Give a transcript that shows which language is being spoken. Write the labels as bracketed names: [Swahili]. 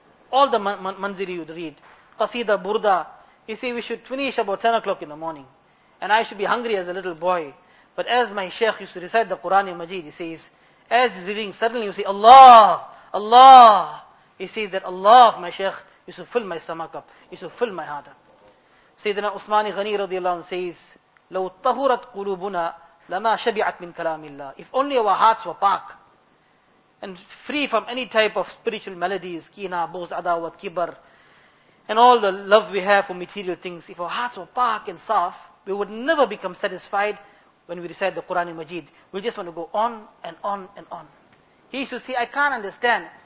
[English] All the manziri you'd read. Qasida burda. He said, we should finish about 10 o'clock in the morning. And I should be hungry as a little boy. But as my Shaykh used to recite the Qur'an in Majid, he says, as he's reading, suddenly you say, Allah, Allah. He says that Allah of my Shaykh used to fill my stomach up, used to fill my heart up. Sayyidina Usmani Ghani radiallahu anhu says, [Arabic] لَوْ تَهُرَتْ قُلُوبُنَا لَمَا شَبِعَتْ مِنْ كَلَامِ اللَّهِ. [English] If only our hearts were pak and free from any type of spiritual maladies, kina, boz, adawat, kibar, and all the love we have for material things, if our hearts were pak and soft, we would never become satisfied when we recite the Qur'an in Majid. We just want to go on and on and on. He used to say, I can't understand.